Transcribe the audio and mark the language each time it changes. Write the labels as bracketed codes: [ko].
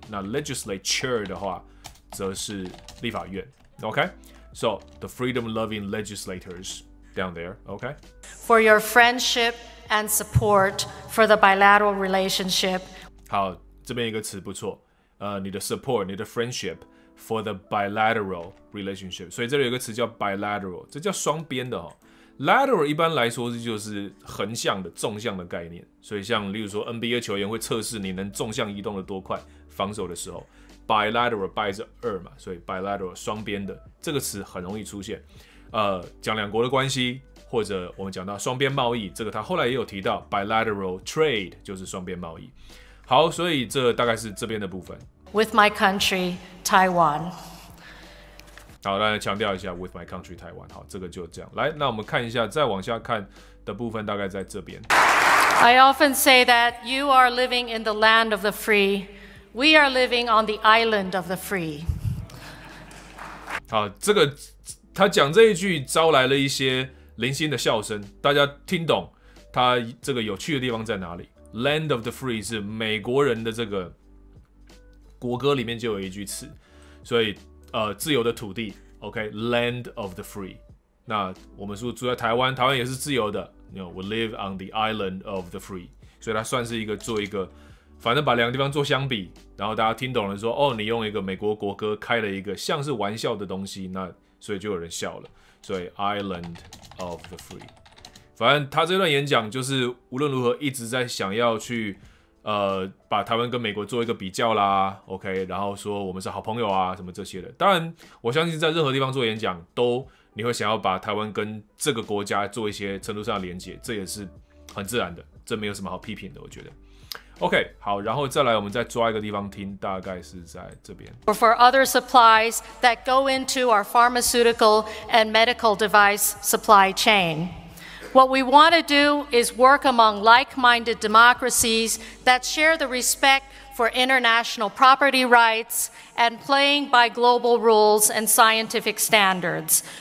[zh] 那 legislature 的话则是立法院 ，OK。 [en] So the freedom-loving legislators down there, okay? For your friendship and support for the bilateral relationship. [zh] 好，这边一个词不错，你的 support， 你的 friendship [en] for the bilateral relationship。 [zh] 所以这里有个词叫 bilateral， 这叫双边的哦。Lateral 一般来说就是横向的、纵向的概念。所以像例如说 NBA 球员会测试你能纵向移动的多快，防守的时候。 Bilateral by 是二嘛，所以 bilateral 双边的这个词很容易出现。讲两国的关系，或者我们讲到双边贸易，这个他后来也有提到 bilateral trade 就是双边贸易。好，所以这大概是这边的部分。 [en] With my country Taiwan。 [zh] 好，来强调一下 [en] with my country Taiwan。 [zh] 好，这个就这样。来，那我们看一下，再往下看的部分大概在这边。 [en] I often say that you are living in the land of the free. We are living on the island of the free. [zh] 好，这个他讲这一句招来了一些零星的笑声，大家听懂他这个有趣的地方在哪里 ？ [en] Land of the free [zh] 是美国人的这个国歌里面就有一句词，所以自由的土地 ，OK， [en] Land of the Free。 [zh] 那我们说住在台湾，台湾也是自由的 ， [en] You know, we live on the island of the free。 [zh] 所以它算是一个做一个，反正把两个地方做相比，然后大家听懂了说，哦，你用一个美国国歌开了一个像是玩笑的东西，那所以就有人笑了。所以 [en] Island of the Free， [zh] 反正他这段演讲就是无论如何一直在想要去，把台湾跟美国做一个比较啦 ，OK， 然后说我们是好朋友啊，什么这些的。当然，我相信在任何地方做演讲都。你会想要把台湾跟这个国家做一些程度上的连结，这也是很自然的，这没有什么好批评的，我觉得。 OK， 好，然后再来，我们再抓一个地方听，大概是在这边。 [en] For other supplies that go into our pharmaceutical and medical device supply chain, what we want to do is work among like-minded democracies that share the respect for international property rights and playing by global rules and scientific standards.